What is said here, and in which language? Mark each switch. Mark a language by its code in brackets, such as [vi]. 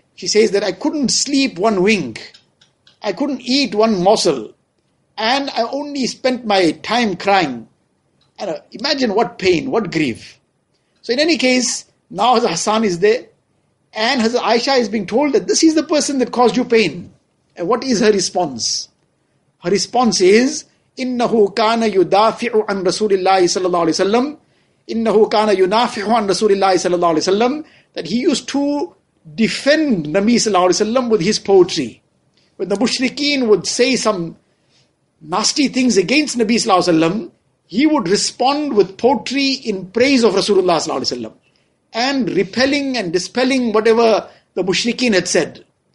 [en] She says that I couldn't sleep one wink. I couldn't eat one morsel. And I only spent my time crying. And imagine what pain, what grief. So in any case, now Hazrat Hassan is there. And Hazrat Aisha is being told that this is the person that caused you pain. And what is her response? Her response is, [ar] إِنَّهُ كَانَ يُدَافِعُ عَنْ رَسُولِ اللَّهِ صلى الله عليه وسلم. إِنَّهُ كَانَ يُنَافِعُ عَنْ رَسُولِ اللَّهِ صلى الله عليه وسلم. [en] That he used to defend Nabi صلى الله عليه وسلم with his poetry. When the mushrikeen would say some nasty things against Nabi صلى الله عليه وسلم, he would respond with poetry in praise of Rasulullah صلى الله عليه وسلم and repelling and dispelling whatever the mushrikeen had said.